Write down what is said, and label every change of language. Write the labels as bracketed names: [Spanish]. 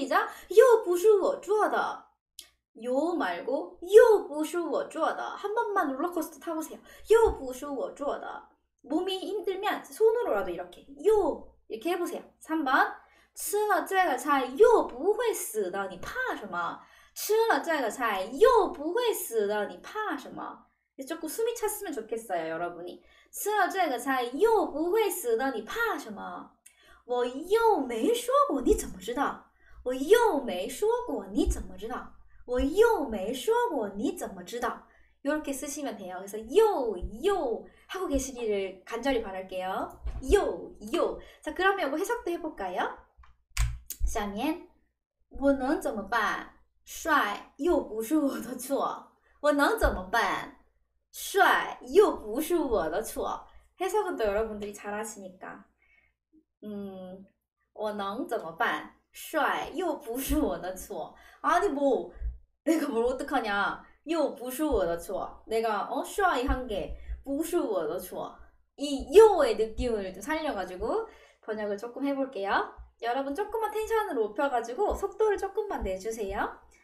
[Chinese] 我又不是老师，我怎么知道？我又不是老师，我怎么知道？又不是我做的，是一张，又不是我做的。 [Korean] 요 말고 [Chinese] 又不是我做的 [Korean] 한 번만 롤러코스터 타보세요. [Chinese] 又不是我做的. [Korean] 몸이 힘들면 손으로라도 이렇게 요 이렇게 해보세요. 3번. [Chinese] 吃了这个菜又不会死的，你怕什么？吃了这个菜又不会死的，你怕什么？ [Korean] 조금 숨이 찼으면 좋겠어요, 여러분이. [Chinese] 吃了这个菜又不会死的，你怕什么？我又没说过，你怎么知道？我又没说过，你怎么知道？我又没说过，你怎么知道？ [Korean] 이렇게 쓰시면 돼요. 그래서 요요 요 하고 계시기를 간절히 바랄게요. 요요 요. 자, 그러면 이거 해석도 해볼까요? [Chinese] 下面，我能怎么办？帅又不是我的错，我能怎么办？帅又不是我的错。 [Korean] 해석은 또 여러분들이 잘하시니까. [Chinese] 我能怎么办？帅又不是我的错。 [Korean] 아니 뭐 내가 뭘 어떡하냐？ [Chinese] 又不是我的错。 [Korean] 내가 帅이 한게 [Chinese] 不是我的错。 [Korean] 이 요의 느낌을 좀 살려가지고 번역을 조금 해볼게요. 여러분, 조금만 텐션을 높여가지고 속도를 조금만 내주세요.